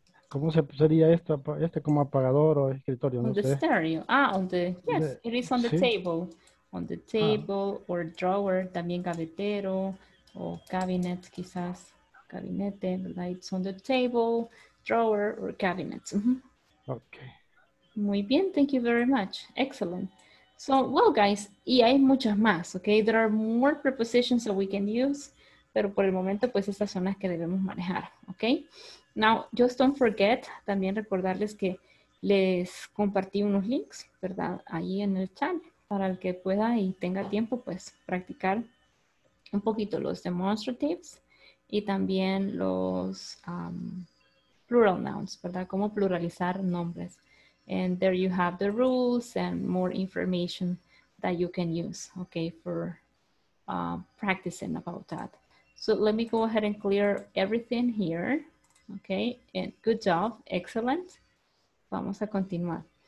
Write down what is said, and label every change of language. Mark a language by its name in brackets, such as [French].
[Spanish] ¿Cómo se sería este como apagador o escritorio? [English] On the stereo. Ah, on the, yes, it is on the table. On the table or drawer, [Spanish] también gavetero o [English] cabinet, [Spanish] quizás. [English] Cabinete, lights on the table, drawer or cabinet. Okay. [Spanish] Muy bien, [English] thank you very much. Excellent. So, well, guys, [Spanish] y hay muchas más, [English] okay? There are more prepositions that we can use, [Spanish] pero por el momento, pues, estas son las que debemos manejar, [English] okay? Now, just don't forget, [Spanish] también recordarles que les compartí unos links, ¿verdad? Ahí en el chat, para el que pueda y tenga tiempo, pues, practicar un poquito los demonstratives y también los plural nouns, ¿verdad? Cómo pluralizar nombres. [English] And there you have the rules and more information that you can use, okay, for practicing about that. So let me go ahead and clear everything here. Okay, and good job, excellent. [Spanish] Vamos a continuar.